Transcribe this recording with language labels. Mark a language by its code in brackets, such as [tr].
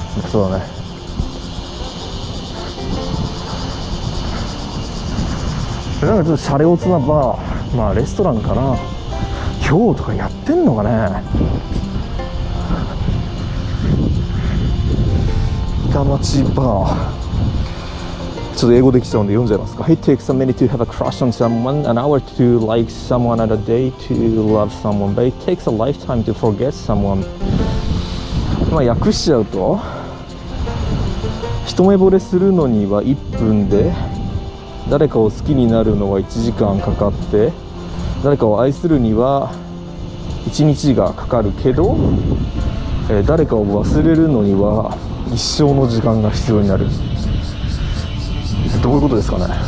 [ja] そうだね、なんかちょっとシャレオツなバー、まあレストランかな、今日とかやってんのかね。下町バー、ちょっと英語できちゃうんで読んじゃいますか。 [en] It takes a minute to have a crush on someone, an hour to like someone, and a day to love someone, but it takes a lifetime to forget someone. [ja] まあ訳しちゃうと、一目惚れするのには1分で、誰かを好きになるのは1時間かかって、誰かを愛するには1日がかかるけど、誰かを忘れるのには一生の時間が必要になる。どういうことですかね。